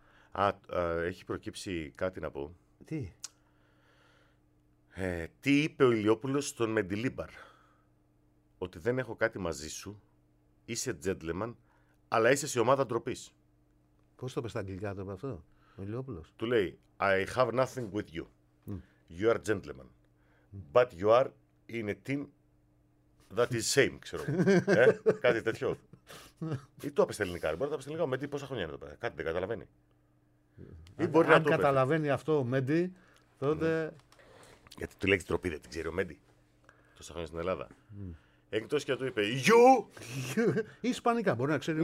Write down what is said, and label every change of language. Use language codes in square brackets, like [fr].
[el] Α, έχει προκύψει κάτι να πω. Τι. Τι είπε ο Ηλιόπουλος στον Μεντιλίμπαρ. Ότι δεν έχω κάτι μαζί σου, είσαι gentleman, αλλά είσαι σε ομάδα ντροπής. Πώς το πες στα αγγλικά το αυτό, ο Ηλιόπουλος. Του λέει, [en] I have nothing with you. You are gentleman. But you are in a team that is same, [el] ξέρω. κάτι τέτοιο. Ή το έπαιξε ελληνικά, μπορεί να το έπαιξε ελληνικά. Μέντι, πόσα χρόνια είναι εδώ πέρα, κάτι δεν καταλαβαίνει. Αν καταλαβαίνει αυτό ο Μέντι, τότε... Γιατί του λέει ντροπή, δεν την ξέρει ο Μέντι. Τόσα χρόνια στην Ελλάδα. Εκτός και του είπε «Γιου» ή Ισπανικά, μπορεί να ξέρει.